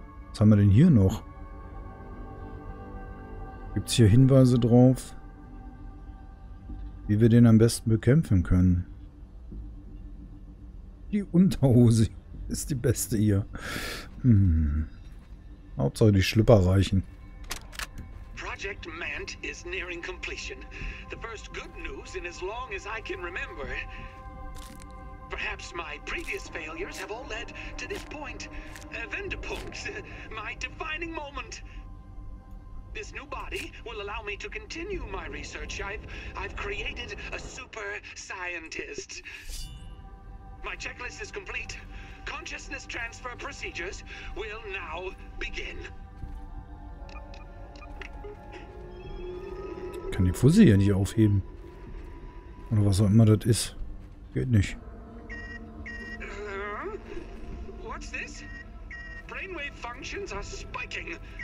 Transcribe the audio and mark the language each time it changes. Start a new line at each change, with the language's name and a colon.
German: Was haben wir denn hier noch? Gibt es hier Hinweise drauf, wie wir den am besten bekämpfen können? Die Unterhose ist die beste hier. Hauptsache die Schlüpper reichen.
English: Project Mant is nearing completion. The first good news in as long as I can remember. Perhaps my previous failures have all led to this point. Wendepunkt, my defining moment. This new body will allow me to continue my research. I've created a super scientist. My checklist is complete. Consciousness transfer procedures will now begin.
German: Ich kann die Fussi ja nicht aufheben. Oder was auch immer das ist. Geht nicht.
English: What's this? Brainwave functions are spiking.